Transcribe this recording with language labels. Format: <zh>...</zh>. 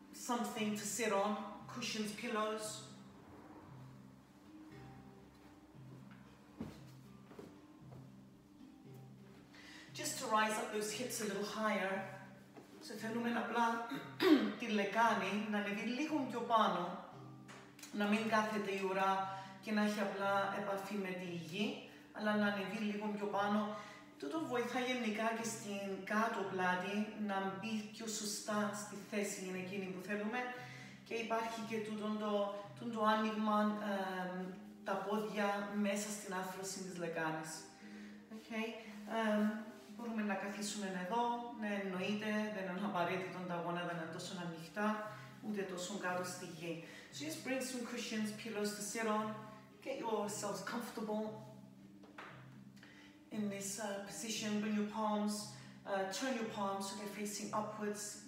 <en>Something to sit on, cushions, pillows. Just to rise up those hips a little higher.</en> <el>So θέλουμε απλά τη λεκάνη να ανεβεί λίγο πιο πάνω, να μην κάθεται η ουρά και να έχει απλά επαφή με τη γη. Αλλά να ανεβεί λίγο πιο πάνω. Τούτο βοηθά γενικά και στην κάτω πλάτη να μπει πιο σωστά στη θέση για εκείνη που θέλουμε. Και υπάρχει και τούτο άνοιγμα τα πόδια μέσα στην άρθρωση της λεκάνης. Okay. Μπορούμε να καθίσουμε εδώ. Ναι, εννοείται, δεν είναι απαραίτητο τα γόνατα να είναι τόσο ανοιχτά, ούτε τόσο κάτω στη γη.</el> <en>So just bring some cushions, pillows to sit on. Get yourselves comfortable. In this position, bring your palms, turn your palms so they're facing upwards.</en>